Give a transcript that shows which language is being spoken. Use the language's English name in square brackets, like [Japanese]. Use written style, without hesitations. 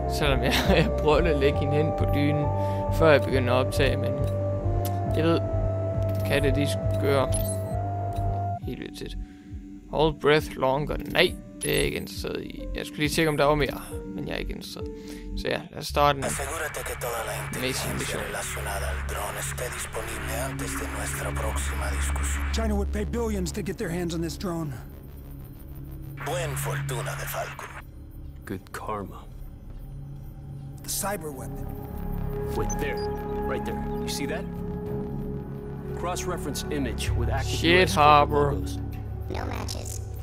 [Danish] Selvom jeg prøvede at lægge hende hen på dynen, før jeg begyndte at optage. Men jeg ved, katte de gør helt vildt tæt. Hold breath longer. Nej, det er jeg ikke interesseret i. Jeg skulle lige tjekke, om der var mere. Men jeg er ikke interesseret. Så ja, lad os starte den. [Spanish] Asegúrate que toda la inteligencia relacionada al drone esté disponible antes de nuestra próxima discusión. [English] China would pay billions to get their hands on this drone. Buen fortuna de Falco. Good karma. The cyber weapon. Wait, there. Right there. You see that? Cross-reference image with active US harbor. No matches.